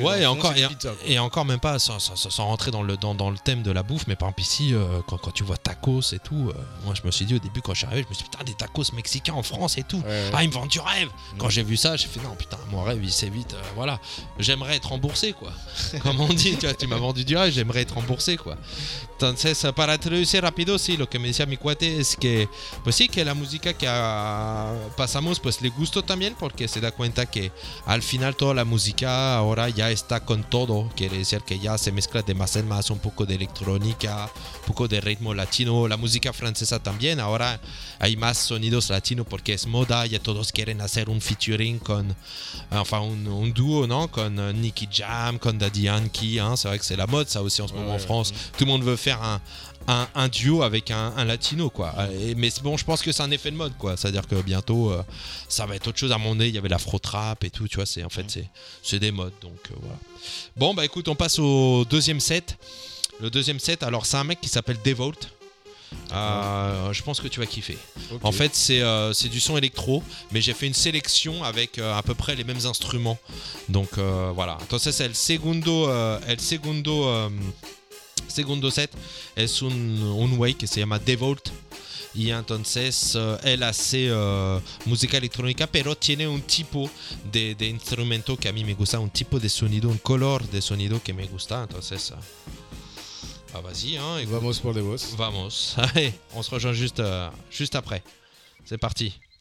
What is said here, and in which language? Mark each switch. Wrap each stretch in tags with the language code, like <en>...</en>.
<fr>ouais, et encore même pas sans rentrer dans le thème de la bouffe, mais par exemple ici, quand tu vois tacos et tout, moi je me suis dit au début quand je suis arrivé, je me suis dit putain, des tacos mexicains en France et tout, ouais, ouais. Ah, ils me vendent du rêve. Quand j'ai vu ça, j'ai fait non, putain, mon rêve il s'est vite, voilà, j'aimerais être remboursé, quoi. Comme on dit, tu vois, tu m'as vendu du rêve, j'aimerais être remboursé, quoi.</fr> <es>Entonces, para traducir rápido, sí, lo que me decía mi cuate es que, pues sí, que la música que pasamos, pues le gustó también, porque se da cuenta que al final toda la música ahora ahora ya está con todo, quiere decir que ya se mezcla de más en más, un poco de electrónica, un poco de ritmo latino, la música francesa también, ahora hay más sonidos latinos porque es moda, ya todos quieren hacer un featuring con, enfin un dúo, ¿no?</es> <fr>Con Nicky Jam, con Daddy Yankee, hein, c'est vrai que c'est la mode ça aussi en ce moment en France, tout le monde veut faire un duo avec un latino quoi. Et, mais bon, je pense que c'est un effet de mode quoi. C'est-à-dire que bientôt ça va être autre chose. À mon nez, il y avait la frotrap et tout, tu vois, c'est en fait c'est des modes donc voilà. Bon bah écoute, on passe au deuxième set. Le deuxième set, alors c'est un mec qui s'appelle Devolt. Je pense que tu vas kiffer. Okay. En fait, c'est du son électro, mais j'ai fait une sélection avec à peu près les mêmes instruments. Donc voilà.</fr> <es>Entonces,</es> <fr>c'est</fr> <es>el segundo set es un güey que se llama Devolt y entonces él hace música electrónica pero tiene un tipo de instrumento que a mí me gusta, un tipo de sonido, un color de sonido que me gusta, entonces</es> <fr>vas-y hein, écoute,</fr> <es>vamos por Devolt, vamos.</es> <fr>Allez, on se rejoint juste après, c'est parti.</fr>